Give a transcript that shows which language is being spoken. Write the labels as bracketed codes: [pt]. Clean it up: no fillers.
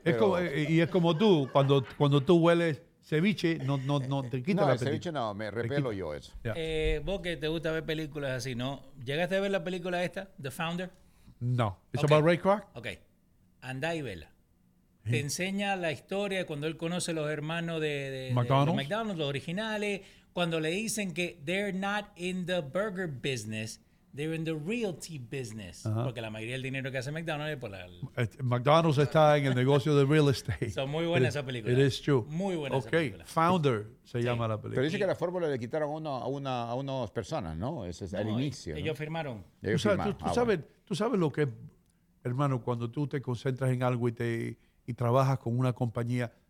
[es] Es como tú, cuando tú hueles ceviche, no te quita el No, ceviche no, me repelo yo eso. [en] Yeah. [es] Vos que te gusta ver películas así, ¿no? ¿Llegaste a ver la película esta, The Founder? No. ¿Es sobre Ray Kroc? Ok. Andá y vela. Sí. Te enseña la historia de cuando él conoce a los hermanos de McDonald's. Los originales. Cuando le dicen que [en] they're not in the burger business, they're in the realty business. Uh-huh. [es] Porque la mayoría del dinero que hace McDonald's es por la... McDonald's está en el negocio de real estate. Son muy buenas esas películas. [en] It is true. [es] Muy buenas esas películas. Ok, Founder se llama la película. Pero dice que la fórmula le quitaron a unas personas, ¿no? Ese es el inicio. Ellos firmaron. Tú sabes lo que es, hermano, cuando tú te concentras en algo y trabajas con una compañía.